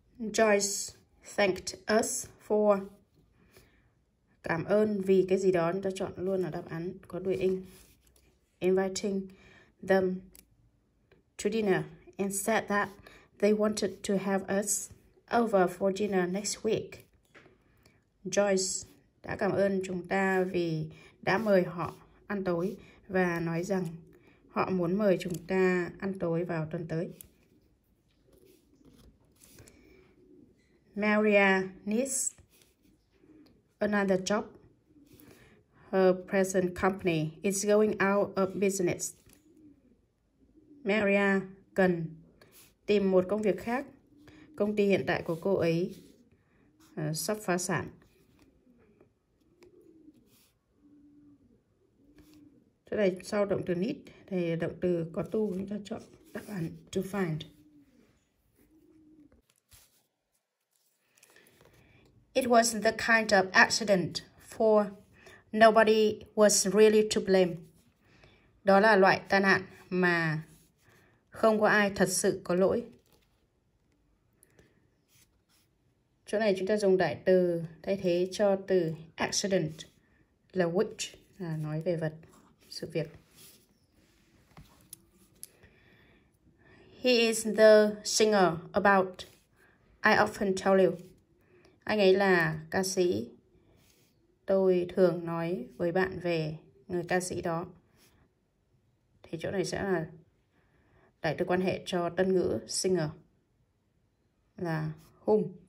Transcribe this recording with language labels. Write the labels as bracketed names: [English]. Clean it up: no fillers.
[English] Joyce thanked us for, [Vietnamese] cảm ơn vì cái gì đó, chúng ta chọn luôn là đáp án có đuôi in. [English] Inviting them to dinner and said that they wanted to have us over for dinner next week. [Vietnamese] Joyce đã cảm ơn chúng ta vì đã mời họ ăn tối và nói rằng họ muốn mời chúng ta ăn tối vào tuần tới. [English] Maria needs another job. Her present company is going out of business. [Vietnamese] Maria cần tìm một công việc khác. Công ty hiện tại của cô ấy sắp phá sản. Thế này sau động từ need thì động từ có to, chúng ta chọn đáp án [English] to find. It was the kind of accident for nobody was really to blame. [Vietnamese] Đó là loại tai nạn mà không có ai thật sự có lỗi. Chỗ này chúng ta dùng đại từ thay thế cho từ accident là which, là nói về vật, sự việc. [English] He is the singer about I often tell you. [Vietnamese] Anh ấy là ca sĩ. Tôi thường nói với bạn về người ca sĩ đó. Thì chỗ này sẽ là đại từ quan hệ cho tân ngữ singer là whom.